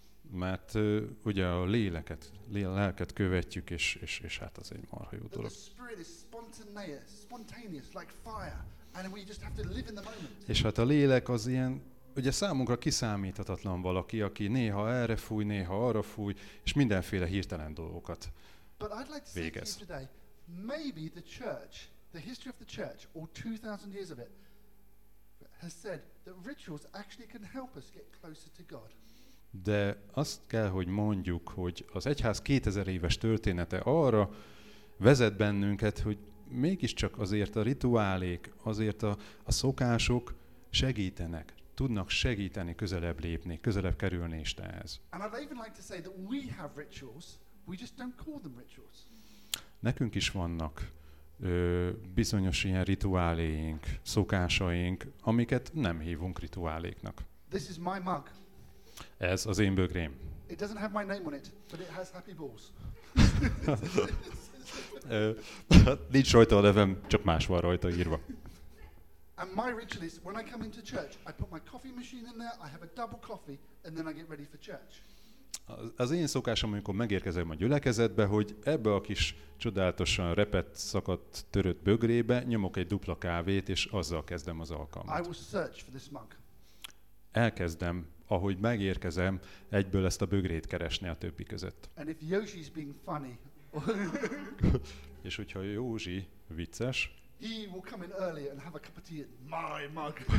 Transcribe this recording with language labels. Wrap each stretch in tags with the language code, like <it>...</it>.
<hu>Mert ugye a lelket követjük, és hát az egy marha jó dolog.</hu> <en>The spirit is spontaneous, like fire, and we just have to live in the moment.</en> <hu>És hát a lélek az ilyen, ugye számunkra kiszámíthatatlan valaki, aki néha erre fúj, néha arra fúj, és mindenféle hirtelen dolgokat végez.</hu> <en>Maybe the church, the history of the church, or 2000 years of it, has said that rituals actually can help us get closer to God.</en> <hu>De azt kell, hogy mondjuk, hogy az egyház 2000 éves története arra vezet bennünket, hogy mégiscsak azért a rituálék, azért a szokások segítenek, tudnak segíteni közelebb lépni, közelebb kerülni Istenhez.</hu> <en>And I'd even like to say that we have rituals, we just don't call them rituals.</en> <hu>Nekünk is vannak bizonyos ilyen rituáléink, szokásaink, amiket nem hívunk rituáléknak.</hu> <en>This is my mug.</en> <hu>Ez az én bögrém.</hu> <en>It doesn't have my name on it, but it has happy balls.</en> <hu>Nincs rajta a nevem, csak más van rajta írva.</hu> <en>And my ritual is when I come into church, I put my coffee machine in there, I have a double coffee, and then I get ready for church.</en> <hu>Az én szokásom, amikor megérkezem a gyülekezetbe, hogy ebbe a kis csodálatosan repett, szakadt, törött bögrébe nyomok egy dupla kávét, és azzal kezdem az alkalmat.</hu> <en>I will search for this mug.</en> <hu>Elkezdem, ahogy megérkezem, egyből ezt a bögrét keresni a többi között.</hu> <en>And if Yoshi's being funny,</en> <hu>és hogyha Józsi vicces,</hu> <en>he will come in early and have a cup of tea in my mug.</en>